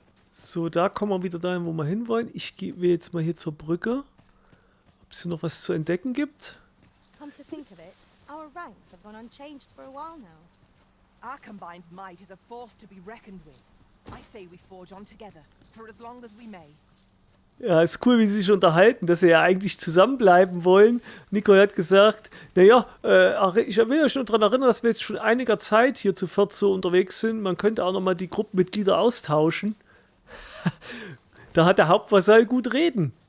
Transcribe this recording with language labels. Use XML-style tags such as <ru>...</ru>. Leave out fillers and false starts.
<de>So, da kommen wir wieder dahin, wo wir hinwollen. Ich gehe jetzt mal hier zur Brücke. Ob es hier noch was zu entdecken gibt.</de> <en>Come to think of it, our ranks have gone unchanged for a while now. Our combined might is a force to be reckoned with. I say we forge on together for as long as we may.</en> <de>Ja, ist cool, wie sie sich unterhalten, dass sie ja eigentlich zusammenbleiben wollen. Nicole hat gesagt, naja, ich will euch nur daran erinnern, dass wir jetzt schon einiger Zeit hier zu viert so unterwegs sind. Man könnte auch nochmal die Gruppenmitglieder austauschen. Da hat der Hauptvasall gut reden.</de>